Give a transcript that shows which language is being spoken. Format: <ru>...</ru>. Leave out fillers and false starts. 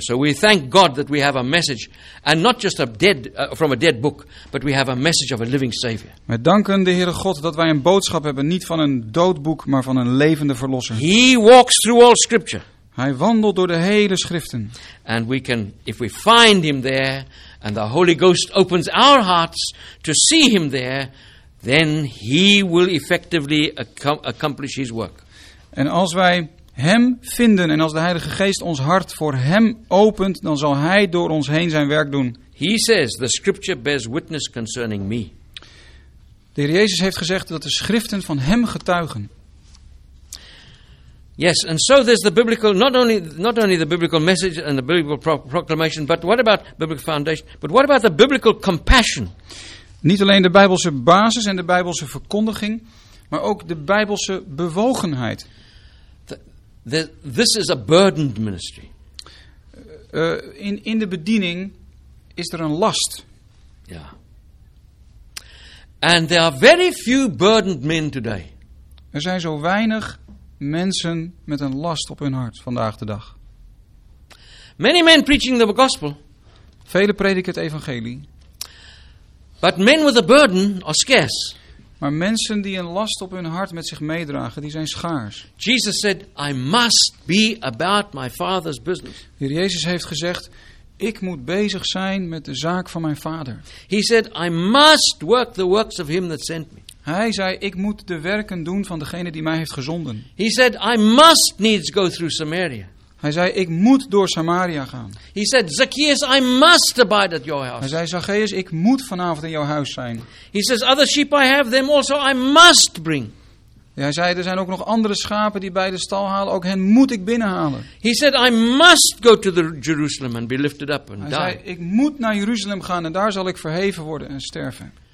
<en>So we thank God that we have a message and not just from a dead book, but we have a message of a living savior.</en> <nl>Wij danken de Heere God dat wij een boodschap hebben niet van een dood boek, maar van een levende verlosser.</nl> <en>He walks through all scripture.</en> <nl>Hij wandelt door de hele schriften.</nl> <en>And we can, if we find him there and the Holy Ghost opens our hearts to see him there, then he will effectively accomplish his work.</en> <nl>En als wij hem vinden en als de Heilige Geest ons hart voor hem opent, dan zal hij door ons heen zijn werk doen.</nl> <en>He says the scripture bears witness concerning me.</en> <nl>De Heer Jezus heeft gezegd dat de schriften van hem getuigen.</nl> <en>Yes, and so there's the biblical, not only the biblical message and the biblical proclamation, but what about biblical foundation? But what about the biblical compassion?</en> <nl>Niet alleen de Bijbelse basis en de Bijbelse verkondiging, maar ook de Bijbelse bewogenheid.</nl> <en>This is a burdened ministry.</en> <nl>In de bediening is er een last. Ja. Yeah.</nl> <en>And there are very few burdened men today.</en> <nl>Er zijn zo weinig mensen met een last op hun hart vandaag de dag.</nl> <en>Many men preaching the gospel.</en> <nl>Vele prediken het evangelie.</nl> <en>But men with a burden are scarce.</en> <nl>Maar mensen die een last op hun hart met zich meedragen, die zijn schaars.</nl> <en>Jesus said, I must be about my father's business.</en> <nl>De Heer Jezus heeft gezegd, ik moet bezig zijn met de zaak van mijn vader.</nl> <en>He said, I must work the works of him that sent me.</en> <nl>Hij zei, ik moet de werken doen van degene die mij heeft gezonden.</nl> <en>He said, I must needs go through Samaria.</en> <nl>Hij zei, ik moet door Samaria gaan.</nl> <en>He said, Zacchaeus, I must abide at your house.</en> <nl>Hij zei, Zacchaeus, ik moet vanavond in jouw huis zijn.</nl> <en>He says, other sheep I have, them also I must bring.</en> <nl>Hij zei, er zijn ook nog andere schapen die bij de stal halen, ook hen moet ik binnenhalen.</nl> <en>He said, I must go to Jerusalem and be lifted up and</en> <nl>hij</nl> <en>die.</en> <nl>Hij zei, ik moet naar Jeruzalem gaan en daar zal ik verheven worden en sterven.</nl>